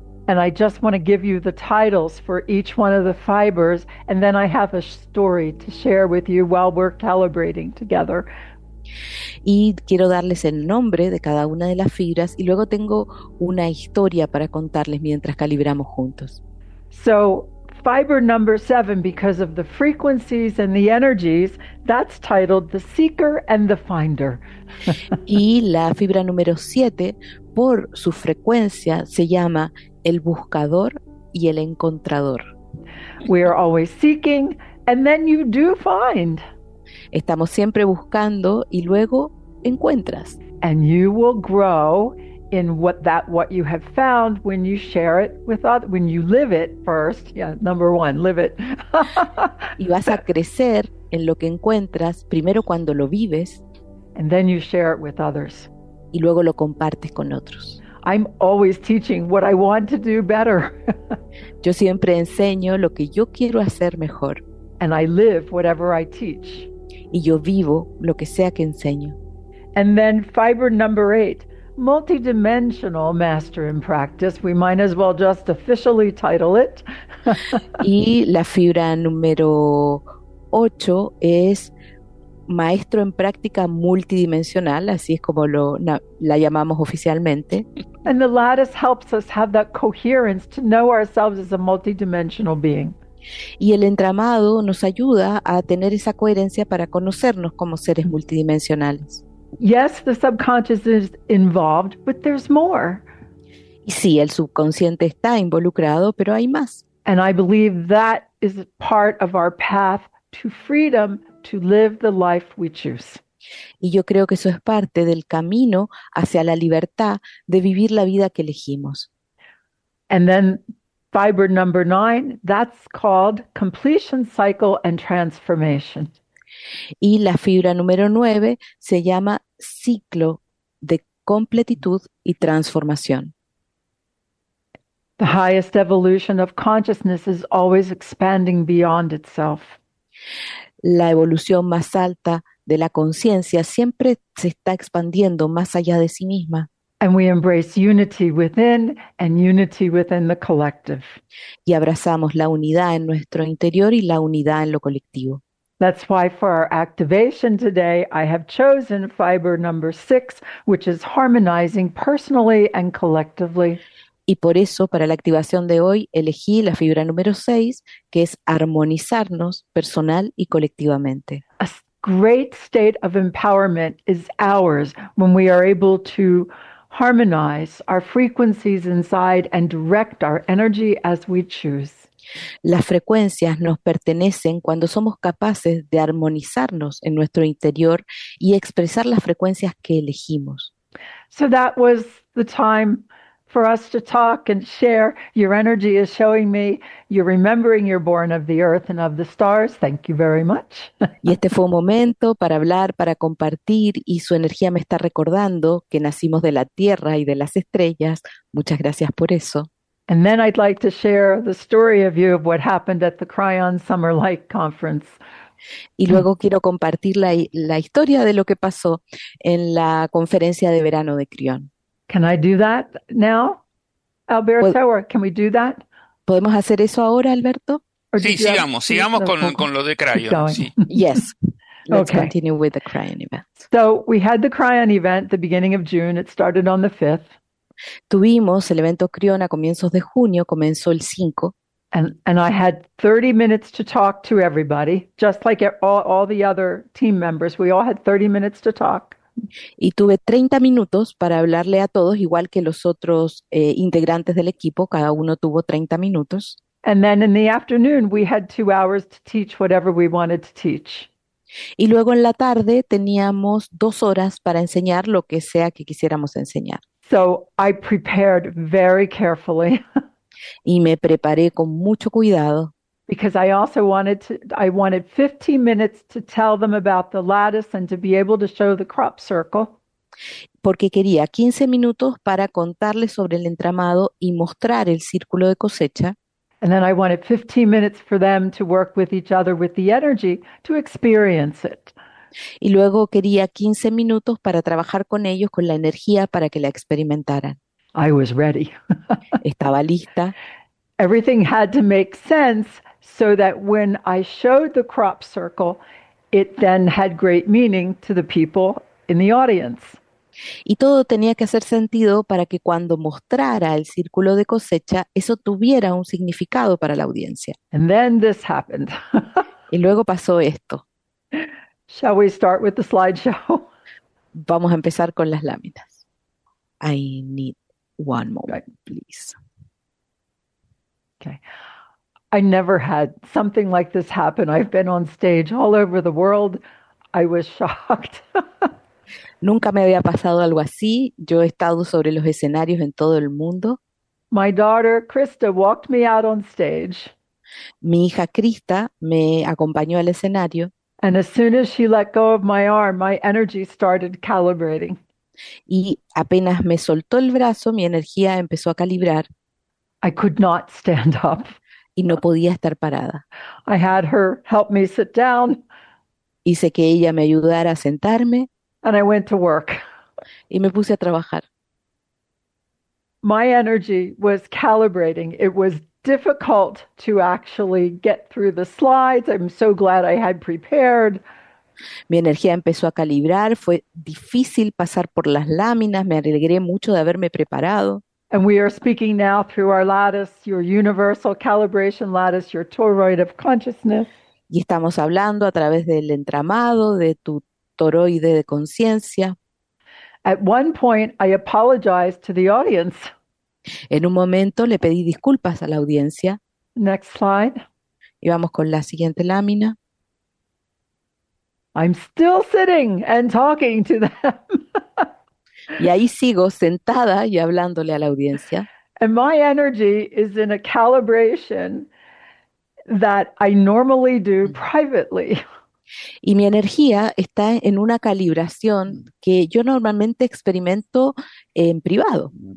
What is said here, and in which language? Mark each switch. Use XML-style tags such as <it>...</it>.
<en>And I just want to give you the titles for each one of the fibers, and then I have a story to share with you while we're calibrating together.</en> <es>Y quiero darles el nombre de cada una de las fibras, y luego tengo una historia para contarles mientras calibramos juntos.</es> <en>So, fiber number 7, because of the frequencies and the energies, that's titled The Seeker and the Finder.</en> <es>Y la fibra número 7, por su frecuencia, se llama El Buscador y el Encontrador.</es> <en>We are always seeking, and then you do find.</en> <es>Estamos siempre buscando y luego encuentras.</es> <en>And you will grow in what you have found when you share it with others, when you live it first. Yeah, number one, live it.</en> <es>Y vas a crecer en lo que encuentras primero cuando lo vives.</es> <en>And then you share it with others.</en> <es>Y luego lo compartes con otros.</es> <en>I'm always teaching what I want to do better.</en> <es>Yo siempre enseño lo que yo quiero hacer mejor.</es> <en>And I live whatever I teach.</en> <es>Y yo vivo lo que sea que enseño.</es> <en>And then fiber number 8, multidimensional master in practice. We might as well just officially title it.</en> <es>Y la fibra número 8 es maestro en práctica multidimensional, así es como la llamamos oficialmente.</es> <en>And the lattice helps us have that coherence to know ourselves as a multidimensional being.</en> <es>Y el entramado nos ayuda a tener esa coherencia para conocernos como seres multidimensionales.</es> <en>Yes, the subconscious is involved, but there's more.</en> <es>Y sí, el subconsciente está involucrado, pero hay más.</es> <en>And I believe that is part of our path to freedom, to live the life we choose.</en> <es>Y yo creo que eso es parte del camino hacia la libertad de vivir la vida que elegimos.</es> <en>And then fiber number 9, that's called completion cycle and transformation.</en> <es>Y la fibra número 9 se llama ciclo de completitud y transformación.</es> <en>The highest evolution of consciousness is always expanding beyond itself.</en> <es>La evolución más alta de la conciencia siempre se está expandiendo más allá de sí misma.</es> <en>And we embrace unity within and unity within the collective.</en> <es>Y abrazamos la unidad en nuestro interior y la unidad en lo colectivo.</es> <en>That's why for our activation today, I have chosen fiber number 6, which is harmonizing personally and collectively.</en> <es>Y por eso, para la activación de hoy, elegí la fibra número 6, que es armonizarnos personal y colectivamente.</es> <en>A great state of empowerment is ours when we are able to harmonize our frequencies inside and direct our energy as we choose.</en> <es>Las frecuencias nos pertenecen cuando somos capaces de armonizarnos en nuestro interior y expresar las frecuencias que elegimos.</es> <en>So that was the time for us to talk and share. Your energy is showing me you're remembering you're born of the earth and of the stars. Thank you very much.</en> <es>Y este fue un momento para hablar, para compartir, y su energía me está recordando que nacimos de la tierra y de las estrellas. Muchas gracias por eso.</es> <en>And then I'd like to share the story of you of what happened at the Cryon Summer Light Conference.</en> <es>Y luego quiero compartir la historia de lo que pasó en la conferencia de verano de Crión.</es> <en>Can I do that now, Alberto? Or can we do that?</en> <es>¿Podemos hacer eso ahora, Alberto? Sí, sigamos con lo de Cryon. Sí.</es> <en>Yes. Let's okay. continue with the Cryon event. So we had the Cryon event the beginning of June. It started on the 5th.</en> <es>Tuvimos el evento Crión a comienzos de junio, comenzó el 5.</es> <en>And I had 30 minutes to talk to everybody, just like all the other team members. We all had 30 minutes to talk.</en> <es>Y tuve 30 minutos para hablarle a todos, igual que los otros integrantes del equipo, cada uno tuvo 30 minutos.</es> <en>And then in the afternoon, we had 2 hours to teach whatever we wanted to teach.</en> <es>Y luego en la tarde teníamos 2 horas para enseñar lo que sea que quisiéramos enseñar.</es> <en>So I prepared very carefully.</en> <es>Y me preparé con mucho cuidado.</es> <en>Because I also wanted 15 minutes to tell them about the lattice and to be able to show the crop circle.</en> <es>Porque quería 15 minutos para contarles sobre el entramado y mostrar el círculo de cosecha.</es> <en>And then I wanted 15 minutes for them to work with each other with the energy to experience it.</en> <es>Y luego quería 15 minutos para trabajar con ellos con la energía para que la experimentaran.</es> <en>I was ready.</en> <es>Estaba lista.</es> <en>Everything had to make sense so that when I showed the crop circle, it then had great meaning to the people in the audience.</en> <es>Y todo tenía que hacer sentido para que cuando mostrara el círculo de cosecha, eso tuviera un significado para la audiencia.</es> <en>And then this happened.</en> <es>Y luego pasó esto.</es> <en>Shall we start with the slideshow?</en> <es>Vamos a empezar con las láminas.</es> <en>I need one moment, please. Okay. I never had something like this happen. I've been on stage all over the world. I was shocked.</en> <es>Nunca me había pasado algo así. Yo he estado sobre los escenarios en todo el mundo.</es> <en>My daughter, Krista, walked me out on stage.</en> <es>Mi hija Krista me acompañó al escenario.</es> <en>And as soon as she let go of my arm, my energy started calibrating.</en> <es>Y apenas me soltó el brazo, mi energía empezó a calibrar.</es> <en>I could not stand up.</en> <es>Y no podía estar parada.</es> <en>I had her help me sit down.</en> <es>Hice que ella me ayudara a sentarme.</es> <en>And I went to work.</en> <es>Y me puse a trabajar.</es> <en>My energy was calibrating. It was difficult to actually get through the slides. I'm so glad I had prepared.</en> <es>Mi energía empezó a calibrar. Fue difícil pasar por las láminas. Me alegré mucho de haberme preparado.</es> <en>And we are speaking now through our lattice, your universal calibration lattice, your toroid of consciousness.</en> <es>Y estamos hablando a través del entramado de tu toroide de conciencia.</es> <en>At one point, I apologized to the audience.</en> <es>En un momento le pedí disculpas a la audiencia.</es> <en>Next slide.</en> <es>Y vamos con la siguiente lámina.</es> <en>I'm still sitting and talking to them.</en> <es>Y ahí sigo sentada y hablándole a la audiencia.</es> <en>And my energy is in a calibration that I normally do privately.</en> <es>Y mi energía está en una calibración que yo normalmente experimento en privado.</es>